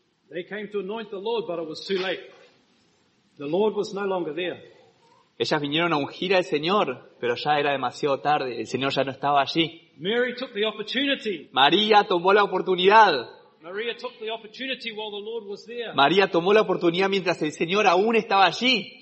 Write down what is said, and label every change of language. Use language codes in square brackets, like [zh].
[en] They came to anoint the Lord, but it was too late. The Lord was no longer there. [es] Ellas vinieron a ungir al Señor, pero ya era demasiado tarde. El Señor ya no estaba allí. [en] Mary took the opportunity. [es] María tomó la oportunidad. [en] Maria took the opportunity while the Lord was there. [es] María tomó la oportunidad mientras el Señor aún estaba allí.